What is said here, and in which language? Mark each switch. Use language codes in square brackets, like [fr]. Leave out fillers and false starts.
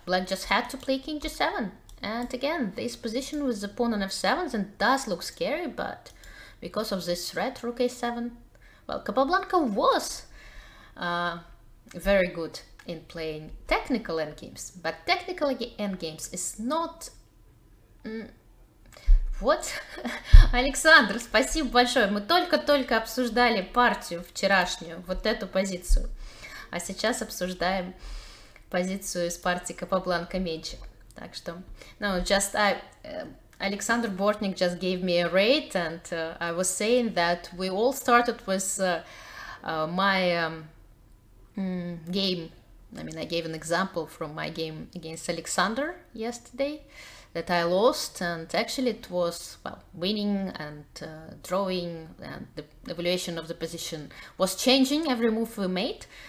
[en] Black just had to play king g7. And again, this position with the pawn on f7 and does look scary, but because of this threat, rook a7, well, Capablanca was very good in playing technical endgames, but technical endgames is not... What? [ru] Александр, спасибо большое. Мы только-только обсуждали партию вчерашнюю, вот эту позицию. А сейчас обсуждаем позицию из партии Капабланка-Менчик. Так что, [en] no, just Alexandr Bortnyk just gave me a rate, and I was saying that we all started with my game. I mean, I gave an example from my game against Alexandr yesterday that I lost, and actually it was, well, winning and drawing, and the evaluation of the position was changing every move we made.